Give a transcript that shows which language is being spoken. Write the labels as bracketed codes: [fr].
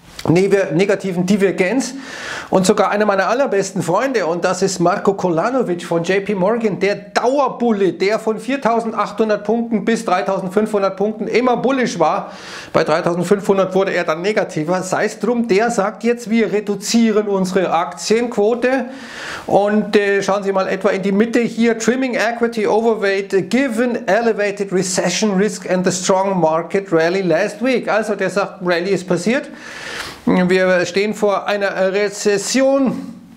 [de] negativen Divergenz. Und sogar einer meiner allerbesten Freunde, und das ist Marco Kolanovic von JP Morgan, der Dauerbulle, der von 4.800 Punkten bis 3.500 Punkten immer bullisch war. Bei 3.500 wurde er dann negativer. Sei es drum, der sagt jetzt, wir reduzieren unsere Aktienquote. Und schauen Sie mal etwa in die Mitte hier. [en] Trimming equity overweight given elevated recession risk and the strong market rally last week. [de] Also der sagt, Rally ist passiert. Wir stehen vor einer Rezession.